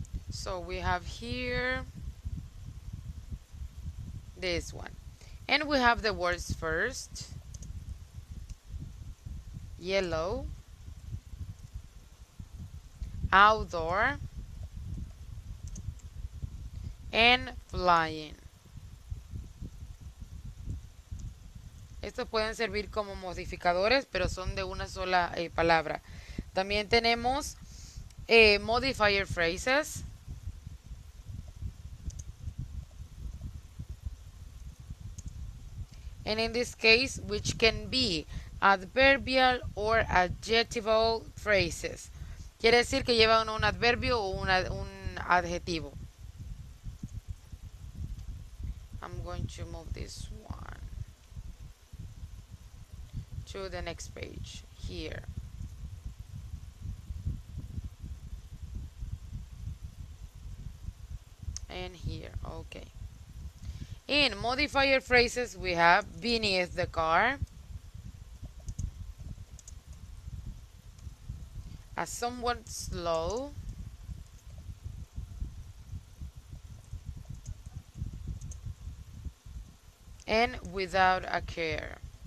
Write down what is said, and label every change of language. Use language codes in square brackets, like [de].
[en] So we have here this one, and we have the words first, yellow, outdoor, and flying. [es] Estos pueden servir como modificadores, pero son de una sola palabra. También tenemos modifier phrases. [en] And in this case, which can be adverbial or adjectival phrases. [es] Quiere decir que lleva un adverbio o un adjetivo. [en] I'm going to move this one to the next page here. And here, okay. In modifier phrases, we have beneath the car, a somewhat slow, and without a care.